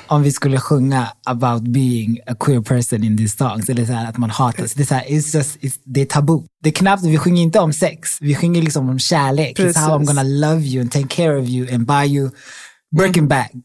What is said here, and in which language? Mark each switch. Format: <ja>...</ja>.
<sv>Om vi skulle sjunga</sv> <en>about being a queer person in these songs.</en> <sv>Eller så här att man hatar. Så det är så här, det är tabu. Det är knappt, vi sjunger inte om sex. Vi sjunger liksom om kärlek. Precis.</sv> <en>It's how I'm gonna love you and take care of you and buy you Birkin bag.</en>